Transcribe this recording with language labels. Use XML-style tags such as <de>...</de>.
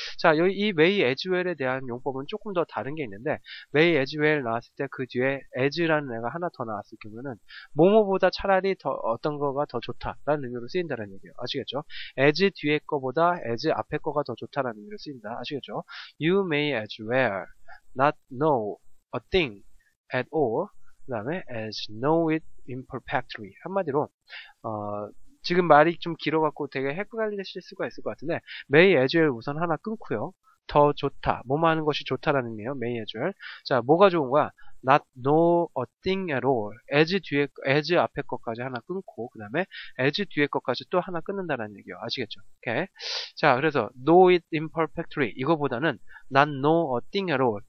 <ko>자, 여기 이 may as well에 대한 용법은 조금 더 다른 게 있는데 may as well 나왔을 때그 뒤에 as라는 애가 하나 더 나왔을 경우에는 뭐뭐보다 차라리 더 어떤 거가 더 좋다라는 의미로 쓰인다라는 얘기예요. 아시겠죠? as 뒤에 거보다 as 앞에 거가 더 좋다라는 의미로 쓰인다. 아시겠죠?</ko> <en>You may as well not know a thing at all.</en> <ko>그 다음에</ko> <en>as know it imperfectly.</en> <ko>한마디로, 지금 말이 좀 길어갖고 되게 헷갈리실 수가 있을 것 같은데, may as well 우선 하나 끊고요. 더 좋다. 뭐뭐 하는 것이 좋다라는 의미예요.</ko> <en>may as well.</en> <ko>자, 뭐가 좋은 거야?</ko> <en>not know a thing at all.</en> <ko>as 앞에 것까지 하나 끊고, 그 다음에 as 뒤에 것까지 또 하나 끊는다는 얘기예요. 아시겠죠? 오케이. 자, 그래서</ko> <en>know it imperfectly.</en> <ko>이거보다는</ko> <en>not know a thing at all.</en>